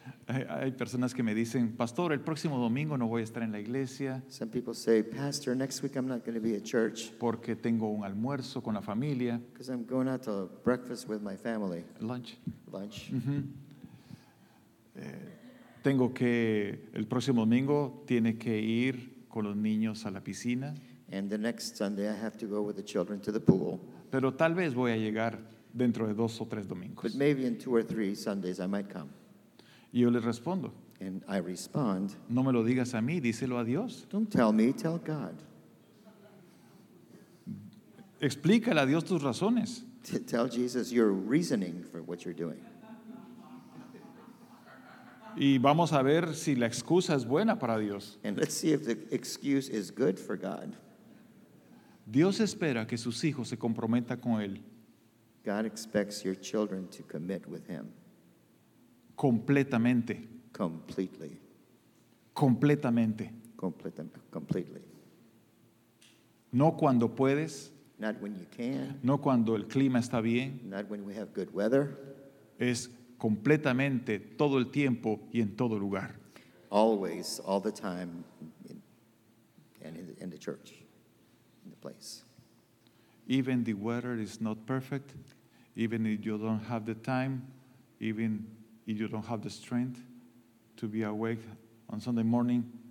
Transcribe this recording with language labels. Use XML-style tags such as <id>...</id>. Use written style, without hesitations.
<es>Hay personas que me dicen, Pastor, el próximo domingo no voy a estar en la iglesia.</es> <en>Some people say, Pastor, next week I'm not going to be at church.</en> <es>Porque tengo un almuerzo con la familia.</es> <en>Because I'm going out to breakfast with my family. Lunch. Lunch.</en> <es>Tengo que, el próximo domingo, tiene que ir con los niños a la piscina.</es> <en>And the next Sunday I have to go with the children to the pool.</en> <es>Pero tal vez voy a llegar dentro de dos o tres domingos.</es> <en>But maybe in two or three Sundays I might come.</en> <es>Y yo les respondo.</es> <en>And I respond.</en> <es>No me lo digas a mí, díselo a Dios.</es> <en>Don't tell me, tell God.</en> <es>Explícale a Dios tus razones.</es> <en>Tell Jesus your reasoning for what you're doing.</en> <es>Y vamos a ver si la excusa es buena para Dios.</es> <en>And let's see if the excuse is good for God.</en> <es>Dios espera que sus hijos se comprometan con Él.</es> <en>God expects your children to commit with Him.</en> <es>Completamente.</es> <en>Completely.</en> <es>Completamente.</es> <en>Completely.</en> <es>No cuando puedes.</es> <en>Not when you can.</en> <es>No cuando el clima está bien.</es> <en>Not when we have good weather.</en> <es>Es completamente, todo el tiempo y en todo lugar.</es> <en>Always, all the time, in the church, in the place. Even the weather is not perfect, even if you don't have the time, even if you don't have the strength to be awake on Sunday morning,</en>